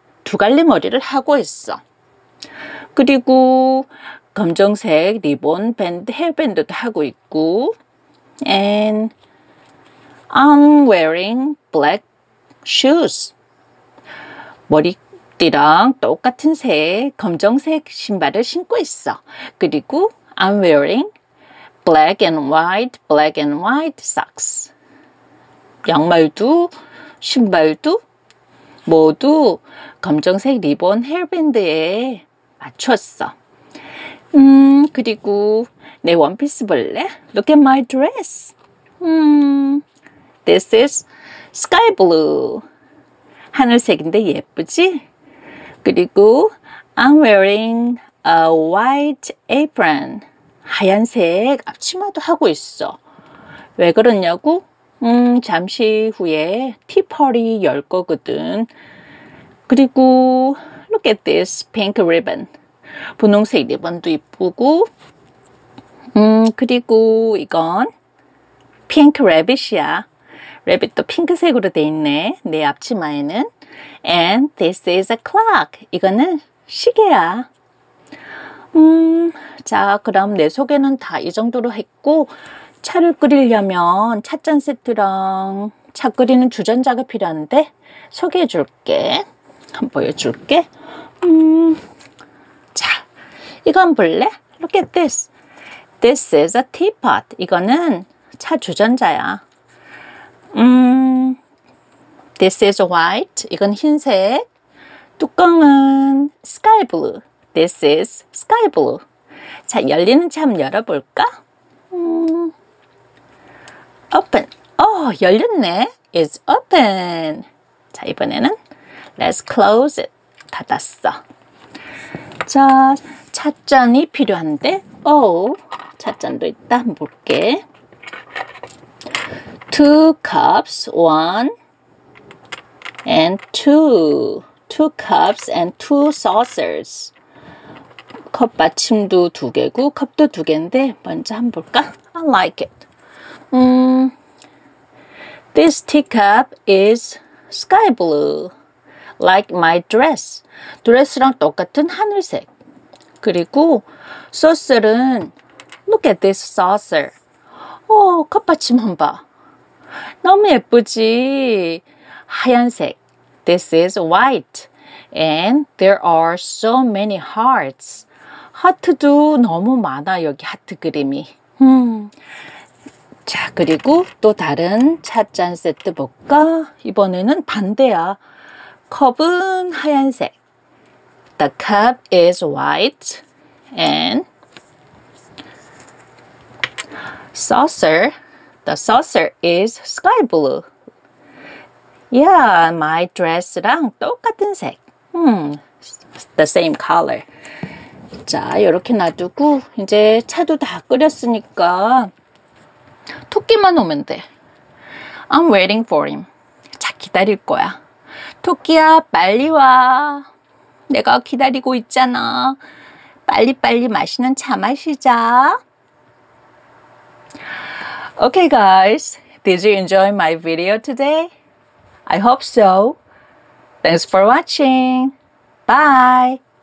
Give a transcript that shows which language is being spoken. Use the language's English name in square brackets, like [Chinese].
[Korean] 두갈래 머리를 하고 있어. 그리고 검정색 리본 밴드 헤어밴드도 하고 있고, [English] and I'm wearing black shoes. [Korean] 머리띠랑 똑같은 색 검정색 신발을 신고 있어. [English] 그리고 I'm wearing black and white socks. [Korean] 양말도, 신발도, 모두 검정색 리본 헤어밴드에 맞췄어. 그리고 내 원피스 볼래? [English] Look at my dress. This is sky blue. [Korean] 하늘색인데 예쁘지? 그리고 [English] I'm wearing a white apron. [Korean] 하얀색 앞치마도 하고 있어. 왜 그러냐고? 잠시 후에 티파티 열 거거든. 그리고 [English] look at this pink ribbon. [Korean] 분홍색 리본도 이쁘고. 그리고 이건 pink rabbit이야. rabbit도 핑크색으로 돼 있네. 내 앞치마에는. [English] And this is a clock. [Korean] 이거는 시계야. 자, 그럼 내 소개는 다이 정도로 했고, 차를 끓이려면 찻잔 세트랑 차 끓이는 주전자가 필요한데, 소개해 줄게. 한번 보여줄게. 자, 이건 볼래? [English] Look at this. This is a teapot. [Korean] 이거는 차 주전자야. [English] This is white. [Korean] 이건 흰색. 뚜껑은 [English] sky blue. This is sky blue. [Korean] 자, 열리는 차 한번 열어볼까? [English] Open. [Korean] 어, 열렸네. [English] It's open. [Korean] 자, 이번에는 [English] Let's close it. [Korean] 닫았어. 자, 찻잔이 필요한데. 어, 찻잔도 있다. 한번 볼게. [English] Two cups. One and two. Two cups and two saucers. [Korean] 컵 받침도 두 개고 컵도 두 개인데 먼저 한번 볼까? [English] I like it. This teacup is sky blue, like my dress. [Korean] 드레스랑 똑같은 하늘색. 그리고 소스는 [English] look at this saucer. [Korean] 오, 컵 받침 한번 봐. 너무 예쁘지? 하얀색. [English] This is white. And there are so many hearts. [Korean] 하트도 너무 많아, 여기 하트 그림이. 자, 그리고 또 다른 찻잔 세트 볼까? 이번에는 반대야. 컵은 하얀색. [English] The cup is white. And saucer. The saucer is sky blue. Yeah, my dress랑 [Korean] 똑같은 색. [English] The same color. [Korean] 자, 이렇게 놔두고, 이제 차도 다 끓였으니까, 토끼만 오면 돼. [English] I'm waiting for him. [Korean] 기다릴 거야. 토끼야, 빨리 와. 내가 기다리고 있잖아. 빨리빨리 맛있는 차 마시자. [English] Okay, guys. Did you enjoy my video today? I hope so. Thanks for watching. Bye.